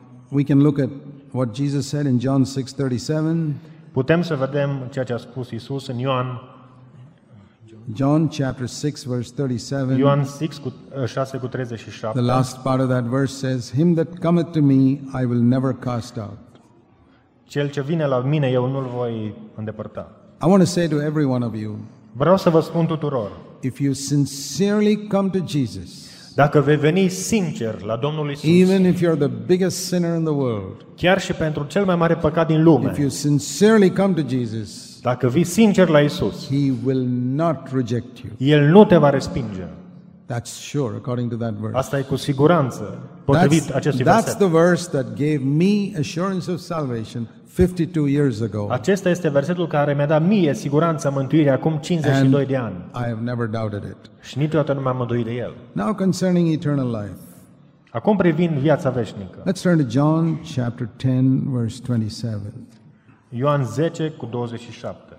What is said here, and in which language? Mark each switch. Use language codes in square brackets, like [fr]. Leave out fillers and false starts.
[en] We can look at what Jesus said in John 6:37. [ro] Putem să vedem ceea ce a spus Iisus în Ioan. [en] John chapter 6 verse 37. [ro] Ioan 6:37. [en] The last part of that verse says, "Him that cometh to me, I will never cast out." [ro] Cel ce vine la mine, eu nu-l voi îndepărta. [en] I want to say to every one of you. [ro] Vreau să vă spun tuturor. [en] If you sincerely come to Jesus. [ro] Dacă vei veni sincer la Domnul Isus. [en] Even if you're the biggest sinner in the world. [ro] Chiar și pentru cel mai mare păcat din lume. [en] If you sincerely come to Jesus. [ro] Dacă vii sincer la Isus. [en] He will not reject you. [ro] El nu te va respinge. [en] That's sure according to that verse. [ro] Asta e cu siguranță potrivit acestui verset. [en] That's the verse that gave me assurance of salvation. 52 years ago. [ro] Acesta este versetul care mi-a dat mie siguranța mântuirii acum 52 de ani. [en] I have never doubted it. [ro] Și niciodată nu m-am îndoit de el. [en] Now concerning eternal life. [ro] Acum privind viața veșnică. [en] Let's turn to John chapter 10 verse 27. [ro] Ioan 10 cu 27.